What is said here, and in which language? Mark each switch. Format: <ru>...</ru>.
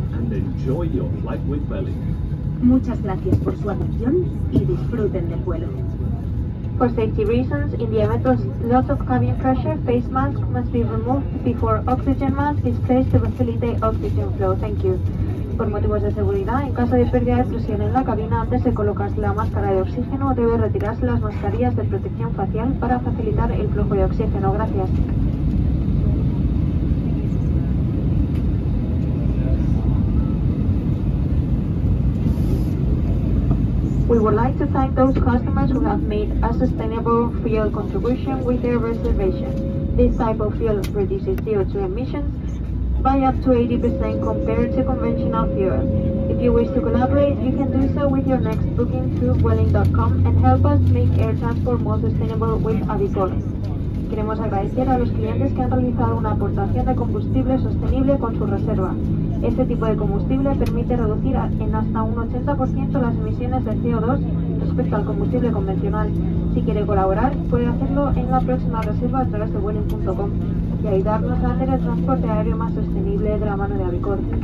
<en>Enjoy your flight with Vueling.</en> <es>Muchas gracias por su atención y disfruten del vuelo.</es> <en>For safety reasons, in the event of loss of cabin pressure, face mask must be removed before oxygen mask is placed to facilitate oxygen flow. Thank you.</en> <es>Por motivos de seguridad, en caso de pérdida de presión en la cabina, antes de colocarse la máscara de oxígeno, debe retirarse las mascarillas de protección facial para facilitar el flujo de oxígeno. Gracias.</es> <en>We would like to thank those customers who have made a sustainable fuel contribution with their reservation. This type of fuel reduces CO2 emissions by up to 80% compared to conventional fuel. If you wish to collaborate, you can do so with your next booking through Vueling.com and help us make air transport more sustainable with Adicolon.</en> <es>Queremos agradecer a los clientes que han realizado una aportación de combustible sostenible con su reserva. Este tipo de combustible permite reducir en hasta un 80% las emisiones de CO2 respecto al combustible convencional. Si quiere colaborar, puede hacerlo en la próxima reserva a través de Vueling.com y ayudarnos a hacer el transporte aéreo más sostenible de la mano de Avicor.</es>